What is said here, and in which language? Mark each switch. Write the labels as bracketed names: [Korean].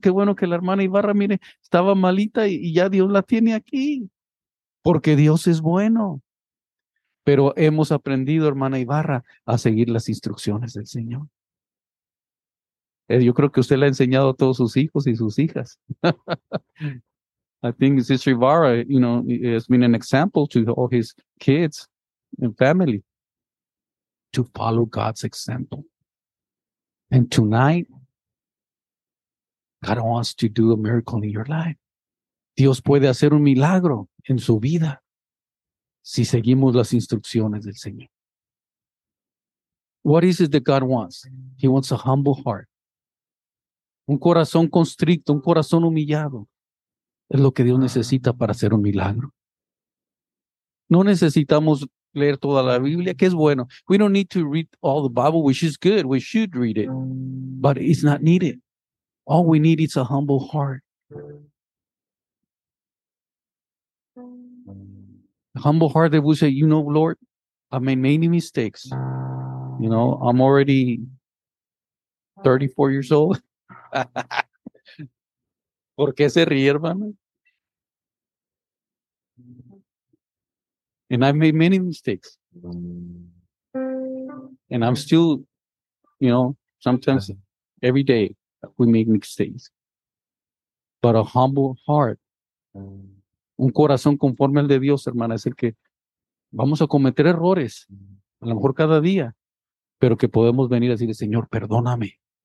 [Spanish] Qué bueno que la hermana Ivara, mire, estaba malita y ya Dios la tiene aquí. Porque Dios es bueno. Pero hemos aprendido, hermana Ibarra, a seguir las instrucciones del Señor. Yo creo que usted le ha enseñado a todos sus hijos y sus hijas. [English] I think Sister Ibarra, you know, has been an example to all his kids and family to follow God's example. And tonight, God wants to do a miracle in your life. [Spanish] Dios puede hacer un milagro en su vida. Si seguimos las instrucciones del Señor. [English] What is it that God wants? He wants a humble heart. [Spanish] Un corazón constricto, un corazón humillado. Es lo que Dios necesita para hacer un milagro. No necesitamos leer toda la Biblia, que es bueno. [English] We don't need to read all the Bible, which is good. We should read it. But it's not needed. All we need is a humble heart. Humble heart that will say, you know, Lord, I made many mistakes. You know, I'm already 34 years old. [Spanish] ¿Por qué se ríe, hermano? [English] And I've made many mistakes. And I'm still, you know, sometimes every day we make mistakes. But a humble heart. [Spanish] Un corazón conforme al de Dios, hermana, es el que vamos a cometer errores, a lo mejor cada día, pero que podemos venir a decirle, Señor, perdóname.